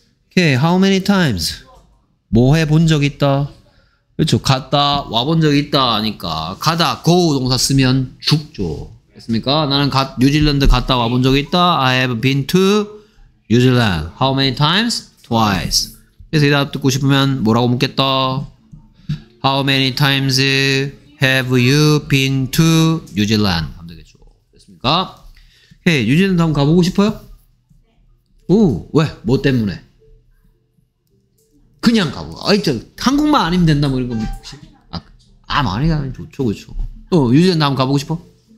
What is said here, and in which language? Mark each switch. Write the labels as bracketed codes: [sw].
[ko] 오케이. [en] How many times? [ko] 뭐 해본 적 있다? 그렇죠. 갔다 와본 적 있다 하니까 가다 go 동사 쓰면 죽죠. 됐습니까? 나는 뉴질랜드 갔다 와본 적 있다. [en] I have been to New Zealand. How many times? Twice. [ko] 그래서 이 대답 듣고 싶으면 뭐라고 묻겠다? [en] How many times have you been to New Zealand? [ko] 하면 되겠죠. 됐습니까? 헤이, 뉴질랜드 한번 가보고 싶어요? 오, 왜? 뭐 때문에? 그냥 가고. 아이, 저, 한국만 아니면 된다, 뭐 이런 거. 아, 많이 가면 좋죠, 그쵸. 어, 뉴질랜드 한번 가보고 싶어?